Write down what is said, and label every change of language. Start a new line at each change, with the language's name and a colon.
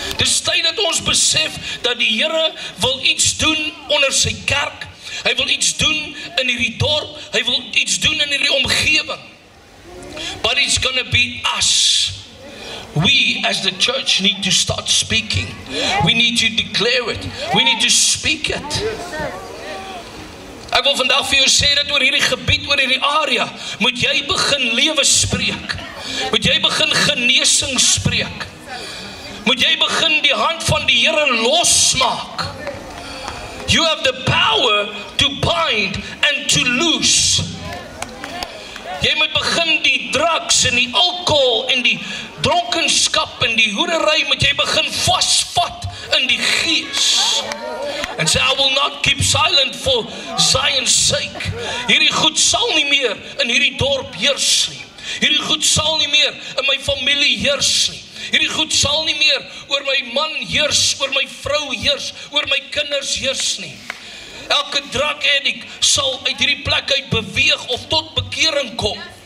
Afrikaans: Dis tyd dat ons besef dat die Here wil iets doen onder sy kerk. Hy wil iets doen in hierdie dorp. Hy wil iets doen in hierdie omgewing.
English: But it's gonna be us. We as the church need to start speaking. We need to declare it. We need to speak it.
Afrikaans: Ek wil vandag vir jou sê dat oor hierdie gebied, oor hierdie area, moet jy begin lewe spreek. Moet jy begin genesing spreek. Moet jy begin die hand van die Here losmaak.
English: You have the power to bind and to loose.
Afrikaans: Jy moet begin die drugs en die alkohol en die dronkenskap en die hoerery moet jy begin vasvat in die gees.
English: And say, I will not keep silent for Zion's sake.
Afrikaans: Hierdie goed sal nie meer in hierdie dorp heers nie. Hierdie goed sal nie meer in my familie heers nie. Hierdie goed sal nie meer oor my man heers, oor my vrou heers, oor my kinders heers nie. Elke drug addict sal uit hierdie plek uit beweeg of tot bekering kom.